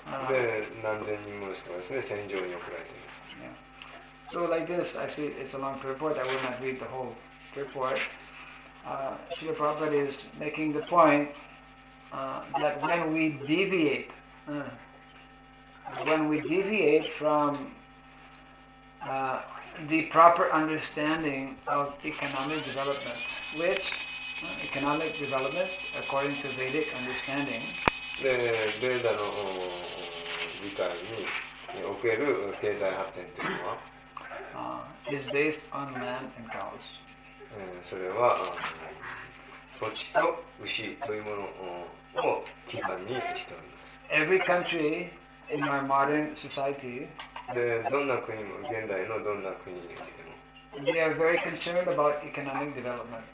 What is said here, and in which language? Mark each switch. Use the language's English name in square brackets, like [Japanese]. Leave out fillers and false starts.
[Japanese] で、何千人もの人がですね、戦場に送られています。 [English] So like this, actually, it's a long report. I will not read the whole report. Srila Prabhupada is making the point that when we deviate from the proper understanding of economic development, which economic development, according to Vedic understanding, [Japanese] で、ベーダの理解に、における経済発展というのは、 [English] is based on man and cows. [Japanese] それは、土地と牛というものを基盤にしております。 [English] Every country in our modern society, [Japanese] で、どんな国も、現代のどんな国においても、 [English] They are very concerned about economic development.